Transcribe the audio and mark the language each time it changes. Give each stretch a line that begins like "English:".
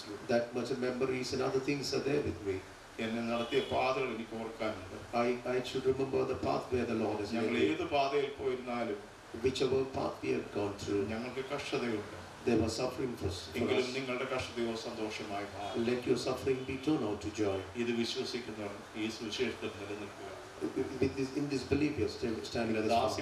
English: That much of memories and other things are there with me.
Malayalam: എന്നെ നടത്തിയ പാതകൾ എനിക്ക് ഓർക്കാനുണ്ട്.
English: I should remember the path where the Lord has led me.
Malayalam: ഏത് പാതയിൽ പോയിരുന്നാലും
English: whichever path we have gone through,
Malayalam: ഞങ്ങൾക്ക് കഷ്ടതയുണ്ട്.
English: There was suffering for us.
Malayalam: എങ്കിലും നിങ്ങളുടെ കഷ്ടതയോ സന്തോഷമായി മാറും.
English: Let your suffering be turned out to joy.
Malayalam: ഇത് വിശ്വസിക്കുന്നവർ ഈ സുവിശേഷത്തിൽ നിലനിൽക്കുക.
English: In this belief, you're still standing at this